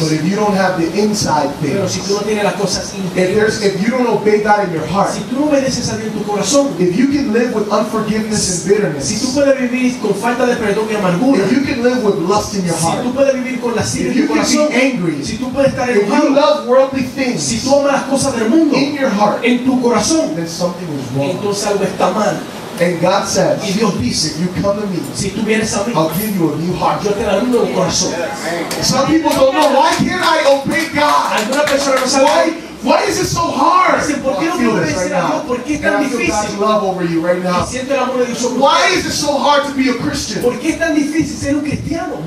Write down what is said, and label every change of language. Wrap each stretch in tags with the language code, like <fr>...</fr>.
<en>But if you don't have the inside things,</en> <es>pero si tú no tienes las cosas</es> <en>interiores, if you don't obey God in your heart,</en> <es>si tú no obedeces a Dios en tu corazón,</es> <en>if you can live with unforgiveness and bitterness,</en> <es>si tú puedes vivir con falta de perdón y amargura,</es> <en>if you can live with lust in your heart,</en> <es>si tú puedes vivir con lascivia,</es> <en>if you can</en> <es>corazón,</es> <en>be angry,</en> <es>si tú puedes estar enojado,</es> <en>if you love worldly things,</en> <es>si tú amas las cosas del mundo,</es> <en>in your heart,</en> <es>en tu corazón,</es> <en>then something is wrong.</en> <es>Entonces algo está mal.</es> <en>And God says,</en> <es>y Dios dice,</es> <en>if you come to me,</en> <es>si tú vienes a mí,</es> <en>I'll give you a new heart.</en> <es>Yo te daré un nuevo corazón.</es> <en>Some people don't know, why can't I obey God? Why is it so hard?</en> <es>Dicen, ¿por qué no puedo obedecer a Dios? ¿Por qué es tan difícil? Siento el amor de Dios sobre ti.</es> <en>Why is it so hard to be a Christian?</en> <es>¿Por qué es tan difícil ser un cristiano?</es>